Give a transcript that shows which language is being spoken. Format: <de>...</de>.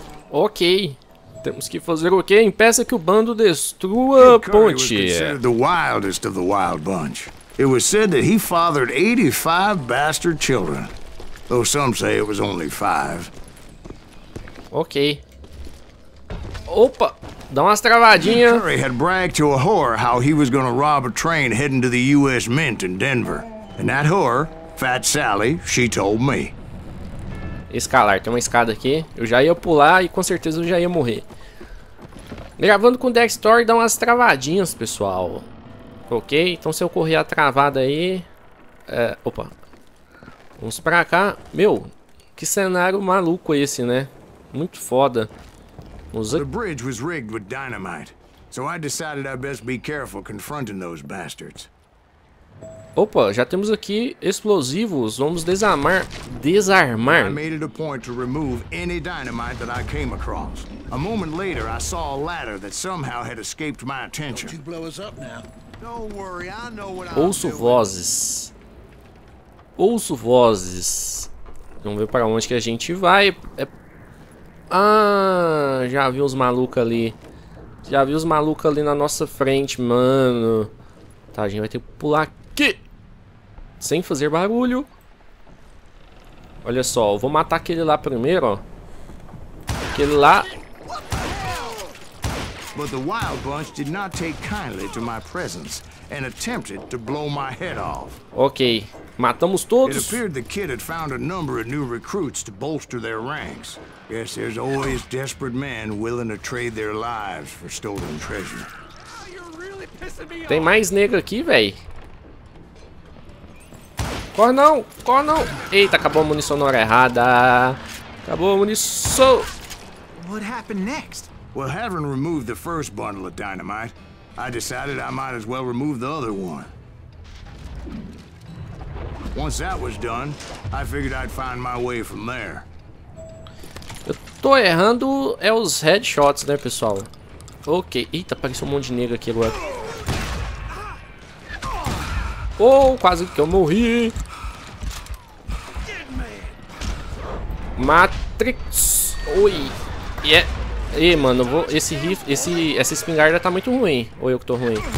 <pt>Ok, temos que fazer o quê? Impeça que o bando destrua a ponte.</pt> <en>Kid Curry was the wildest of the wild bunch. It was said that he fathered 85 bastard children, though some say it was only 5. Ok.</en> <pt>Opa, dá umas travadinhas.</pt> <en>Kid Curry had bragged to a whore how he was going to rob a train heading to the U.S. Mint in Denver, and that whore, Fat Sally, she told me.</en> <pt>Escalar, tem uma escada aqui. Eu já ia pular e com certeza eu já ia morrer. Gravando com o Dextor dá umas travadinhas, pessoal. Ok, então se eu correr a travada aí. É, opa. Vamos pra cá. Meu, que cenário maluco esse, né? Muito foda.</pt> <en>The bridge was rigged with dynamite, so I decided I'd best be careful confronting those bastards.</en> <pt>Opa, já temos aqui explosivos. Vamos desarmar.</pt> <en>I made it a point to remove any dynamite that I came across. A moment later, I saw a ladder that somehow had escaped my attention. Don't you blow us up now? Don't worry, I know what I'm doing.</en> <pt>Ouço vozes. Ouço vozes. Vamos ver para onde que a gente vai. Ah, já vi os malucos ali. Já vi os malucos ali na nossa frente, mano. Tá, a gente vai ter que pular aqui. Sem fazer barulho. Olha só, eu vou matar aquele lá primeiro, ó. Aquele lá.</pt> <en>But the wild bunch did not take kindly to my presence and attempted to blow my head off.</en> <pt>OK. Matamos todos.</pt> <en>It appeared the kid had found a number of new recruits to bolster their ranks. Yes, there's always desperate men willing to trade their lives for stolen treasure.</en> <pt>Tem mais negro aqui, véi. Corre não, corre não. Eita, acabou a munição na hora errada. Acabou a munição.</pt> <en>What happened next? Well, having removed the first bundle of dynamite, I decided I might as well remove the other one. Once that was done, I figured I'd find my way from there.</en> <pt>Eu tô errando é os headshots, né, pessoal? Ok. Eita, apareceu um monte de negro aqui agora. Oh, quase que eu morri. Matrix. Oi.</pt> <en>Yeah.</en> <pt>Ei, mano, vou, esse rifle, essa espingarda tá muito ruim. Ou eu que tô ruim?</pt>